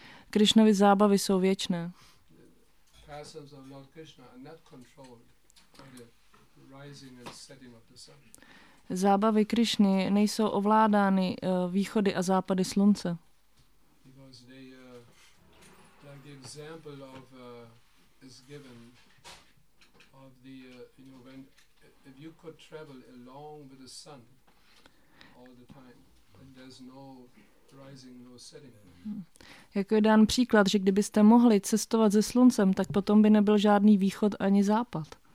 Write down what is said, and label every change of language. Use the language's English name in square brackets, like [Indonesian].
[Czech] Krishnovy zábavy jsou věčné. [English] Passions of Lord Krishna are not controlled by the rising and setting of the sun. [Czech] Zábavy Krishny nejsou ovládány východy a západy slunce. [English] Because they like the example of is given of the you know when if you could travel along with the sun all the time and there's no rising, no setting. [Czech] Jako je dán příklad, že kdybyste mohli cestovat se sluncem, tak potom by nebyl žádný východ ani západ.